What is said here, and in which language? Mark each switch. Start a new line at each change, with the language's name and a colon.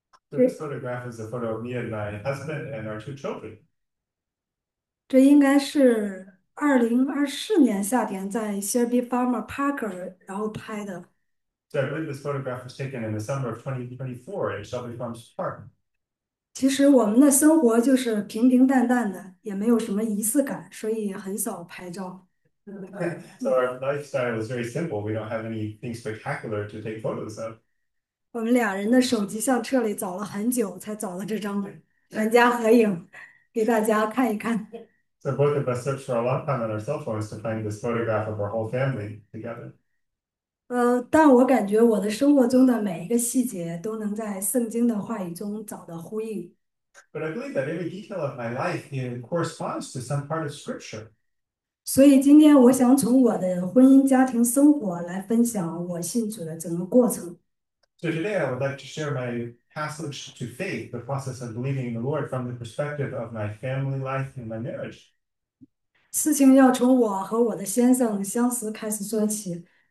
English: The photograph is a photo of me and my husband and our two children.
Chinese: 这应该是2024年夏天在 Shelby Farmer Parker 然后拍的。
English: So I believe this photograph was taken in the summer of 2024 at Shelby Farms Park.
Chinese: 其实我们的生活就是平平淡淡的，也没有什么仪式感，所以很少拍照。
English: So our lifestyle is very simple. We don't have anything spectacular to take photos of.
Chinese: 我们俩人的手机相册里找了很久，才找了这张全家合影，给大家看一看。
English: So both of us searched for a long time on our cell phones to find this photograph of our whole family together.
Chinese: 但我感觉我的生活中的每一个细节都能在圣经的话语中找到呼应。
English: But I believe that every detail of my life corresponds to some part of scripture.
Chinese: 所以今天我想从我的婚姻家庭生活来分享我信主的整个过程。
English: So today I would like to share my passage to faith, the process of believing in the Lord from the perspective of my family life and my marriage.
Chinese: 事情要从我和我的先生相识开始说起。